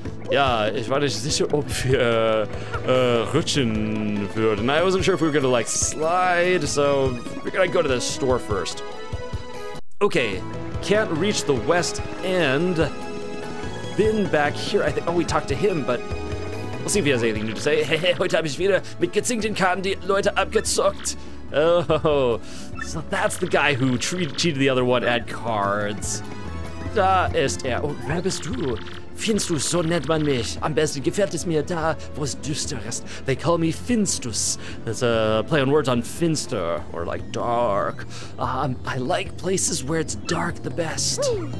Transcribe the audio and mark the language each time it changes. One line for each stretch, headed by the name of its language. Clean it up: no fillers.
German: Ja, ich war nicht sicher, ob wir rutschen würden.
English: I wasn't sure if we were gonna like slide, so we're gonna go to the store first. Okay, can't reach the west end. Bin back here. I think. Oh, we talked to him, but we'll see if he has anything new to say.
German: Hey, heute habe ich wieder mit gezinkten Karten die Leute abgezockt.
English: Oh, so that's the guy who cheated the other one at cards.
German: Da ist er. Oh, wer bist du? Finstus, so nennt man mich. Am besten gefällt es mir da, wo es düster ist.
English: They call me Finstus. That's a play on words on finster, or like dark. I like places where it's dark the best.